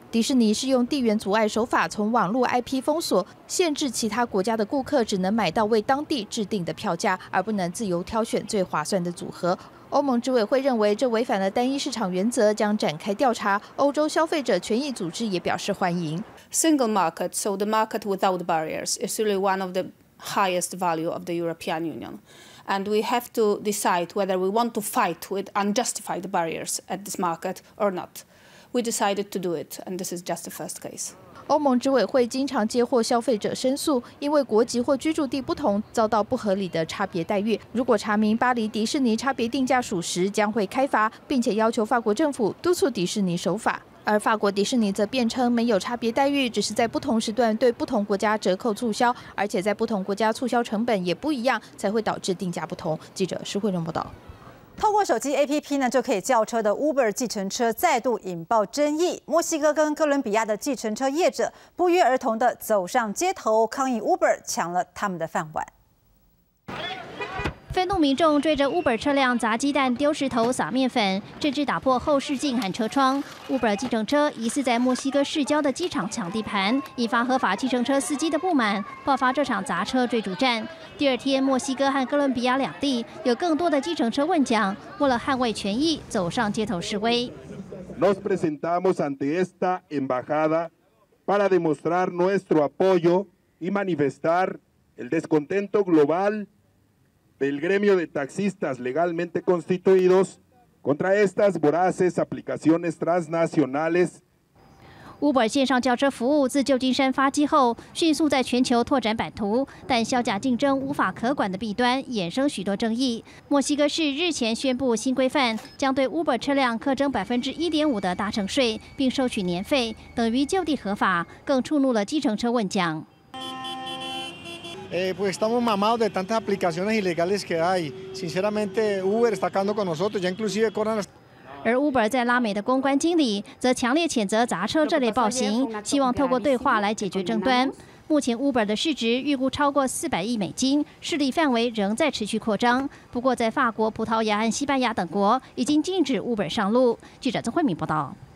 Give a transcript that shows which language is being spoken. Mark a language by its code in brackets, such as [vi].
[zh] 迪士尼是用地缘阻碍手法，从网络 IP 封锁，限制其他国家的顾客只能买到为当地制定的票价，而不能自由挑选最划算的组合。欧盟执委会认为这违反了单一市场原则，将展开调查。欧洲消费者权益组织也表示欢迎。 [en] Single market, so the market without barriers is really one of the highest value of the European Union. And we have to decide whether we want to fight with unjustified barriers at this market or not. We decided to do it, and this is just the first case. [zh] 欧盟执委会经常接获消费者申诉，因为国籍或居住地不同，遭到不合理的差别待遇。如果查明巴黎迪士尼差别定价属实，将会开罚，并且要求法国政府督促迪士尼守法。而法国迪士尼则辩称没有差别待遇，只是在不同时段对不同国家折扣促销，而且在不同国家促销成本也不一样，才会导致定价不同。记者施慧荣报道。透过手机 APP 呢，就可以叫车的 Uber 计程车再度引爆争议。墨西哥跟哥伦比亚的计程车业者不约而同的走上街头抗议 Uber 抢了他们的饭碗。愤怒民众追着 Uber 车辆砸鸡蛋、丢石头、撒面粉，甚至打破后视镜和车窗。 Uber 计程车疑似在墨西哥市郊的机场抢地盘，引发合法计程车司机的不满，爆发这场砸车追逐战。第二天，墨西哥和哥伦比亚两地有更多的计程车问奖，为了捍卫权益，走上街头示威。 [es] Nos presentamos ante esta embajada para demostrar nuestro apoyo y manifestar el descontento global. del gremio de taxistas legalmente constituidos contra estas voraces aplicaciones transnacionales. [zh] Uber 线上轿车服务自旧金山发迹后，迅速在全球拓展版图，但削价竞争无法可管的弊端衍生许多争议。墨西哥市日前宣布新规范，将对 Uber 车辆课征1.5%的搭乘税，并收取年费，等于就地合法，更触怒了计程车问奖。 [es] Pues estamos mamados de tantas aplicaciones ilegales que hay. Sinceramente, Uber está acabando con nosotros. Ya inclusive cobran las. [zh] 而 Uber 在拉美的公关经理则强烈谴责砸车这类暴行，希望透过对话来解决争端。目前 Uber 的市值预估超过400亿美金，势力范围仍在持续扩张。不过，在法国、葡萄牙和西班牙等国已经禁止 Uber 上路。记者曾慧敏报道。